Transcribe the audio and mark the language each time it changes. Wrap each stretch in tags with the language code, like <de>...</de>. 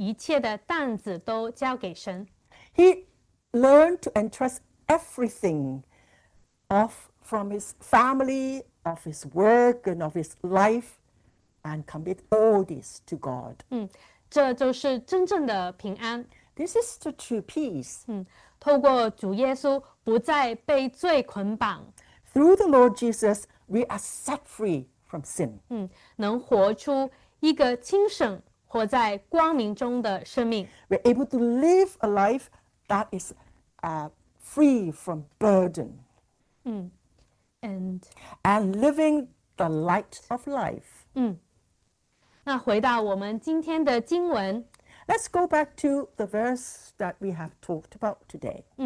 <zh>学习把家庭、工作和生活上一切的担子都交给神。</zh> <en>He learned to entrust everything of from his family, of his work, and of his life, and commit all this to God.</en> <zh>这就是真正的平安。</zh> <en>This is the true peace.</en> <zh>透过主耶稣不再被罪捆绑。</zh> <en>Through the Lord Jesus, we are set free from sin.</en> <zh>能活出一个清醒、活在光明中的生命。</zh> <en>We're able to live a life that is free from burden. And living the light of life.</en> <zh>那回到我们今天的经文。</zh> <en>Let's go back to the verse that we have talked about today.</en>